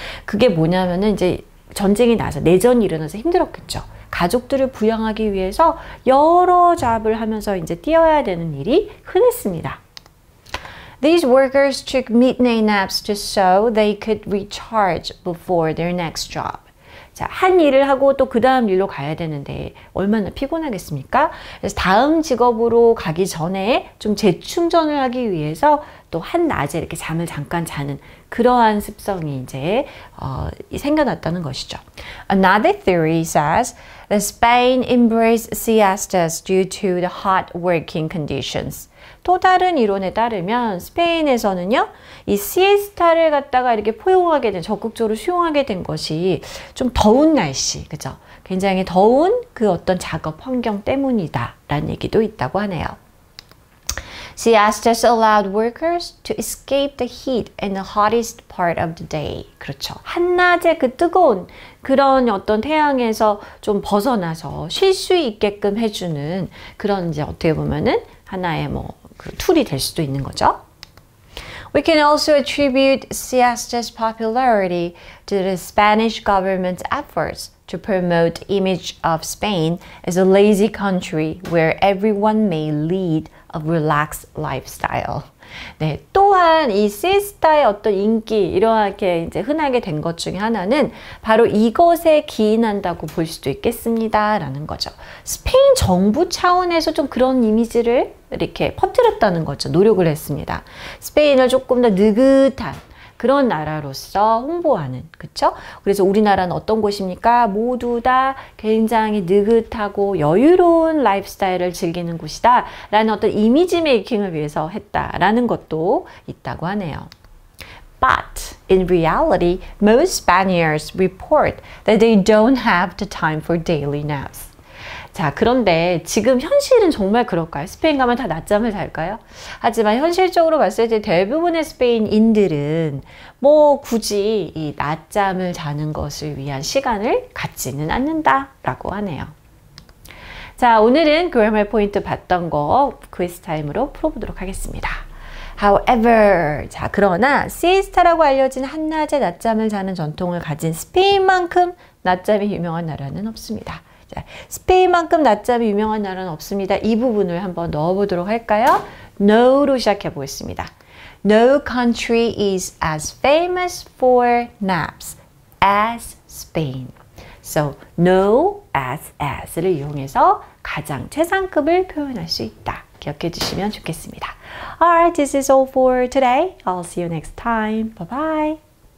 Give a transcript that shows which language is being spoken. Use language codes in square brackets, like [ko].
[ko] 그게 뭐냐면은 이제 전쟁이 나서 내전이 일어나서 힘들었겠죠. 가족들을 부양하기 위해서 여러 잡을 하면서 이제 뛰어야 되는 일이 흔했습니다. [en] These workers took midnight naps just so they could recharge before their next job. [ko] 자, 한 일을 하고 또 그 다음 일로 가야 되는데 얼마나 피곤하겠습니까? 그래서 다음 직업으로 가기 전에 좀 재충전을 하기 위해서 또 한 낮에 이렇게 잠을 잠깐 자는 그러한 습성이 이제 생겨났다는 것이죠. [en] Another theory says that Spain embraced siestas due to the hot working conditions. [ko] 또 다른 이론에 따르면 스페인에서는요 이 시에스타를 갖다가 이렇게 포용하게 된 적극적으로 수용하게 된 것이 좀 더운 날씨 그죠 굉장히 더운 그 어떤 작업 환경 때문이다 라는 얘기도 있다고 하네요 [en] Siestas allowed workers to escape the heat in the hottest part of the day. [ko] 그렇죠. 한낮에 그 뜨거운 그런 어떤 태양에서 좀 벗어나서 쉴 수 있게끔 해주는 그런 이제 어떻게 보면은 하나의 뭐 그 툴이 될 수도 있는 거죠. [en] We can also attribute siesta's popularity to the Spanish government's efforts to promote image of Spain as a lazy country where everyone may lead a relaxed lifestyle. [ko] 네, 또한 이 시에스타의 어떤 인기 이렇게 이제 흔하게 된 것 중에 하나는 바로 이것에 기인한다고 볼 수도 있겠습니다라는 거죠. 스페인 정부 차원에서 좀 그런 이미지를 이렇게 퍼뜨렸다는 거죠. 노력을 했습니다. 스페인을 조금 더 느긋한 그런 나라로서 홍보하는, 그쵸? 그래서 우리나라는 어떤 곳입니까? 모두 다 굉장히 느긋하고 여유로운 라이프스타일을 즐기는 곳이다 라는 어떤 이미지 메이킹을 위해서 했다라는 것도 있다고 하네요. [en] But in reality, most Spaniards report that they don't have the time for daily naps. [ko] 자, 그런데 지금 현실은 정말 그럴까요? 스페인 가면 다 낮잠을 잘까요? 하지만 현실적으로 봤을 때 대부분의 스페인인들은 뭐 굳이 이 낮잠을 자는 것을 위한 시간을 갖지는 않는다라고 하네요. 자, 오늘은 grammar point 봤던 거 quiz time으로 풀어보도록 하겠습니다. [en] However, [ko] 자, 그러나 시에스타라고 알려진 한낮에 낮잠을 자는 전통을 가진 스페인만큼 낮잠이 유명한 나라는 없습니다. 자, 스페인만큼 낮잠이 유명한 나라는 없습니다. 이 부분을 한번 넣어보도록 할까요? No로 시작해 보겠습니다. [en] No country is as famous for naps as Spain. [ko] So, no as를 이용해서 가장 최상급을 표현할 수 있다. 기억해 주시면 좋겠습니다. [en] Alright, this is all for today. I'll see you next time. Bye-bye.